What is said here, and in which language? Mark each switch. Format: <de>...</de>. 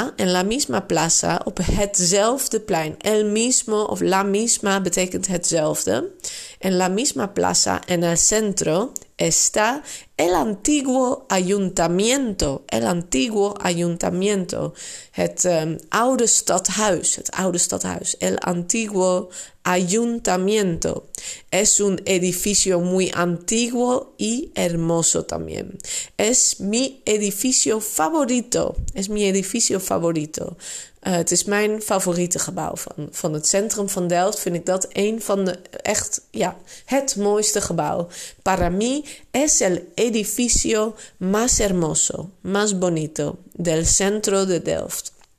<es>En la misma plaza,</es> <nl>op hetzelfde plein. El mismo of la misma betekent hetzelfde.</nl> <es>En la misma plaza, en el centro, está el antiguo ayuntamiento. El antiguo ayuntamiento.</es> <nl>Het oude stadhuis.</nl> <es>El antiguo ayuntamiento. Es un edificio muy antiguo y hermoso también. Es mi edificio favorito.</es> <nl>Het is mijn favoriete gebouw van het centrum van Delft. Vind ik dat een van de echt, ja, het mooiste gebouw.</nl> <es>Para mí es el edificio más hermoso, más bonito del centro de Delft.</es>